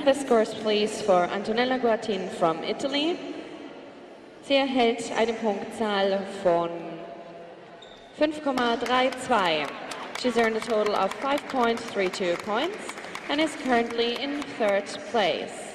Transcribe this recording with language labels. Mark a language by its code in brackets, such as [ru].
[en] The scores, please, for Antonella Guattin from Italy. [de] Sie erhält eine Punktzahl von 5,32. [en] She's earned a total of 5.32 points and is currently in third place.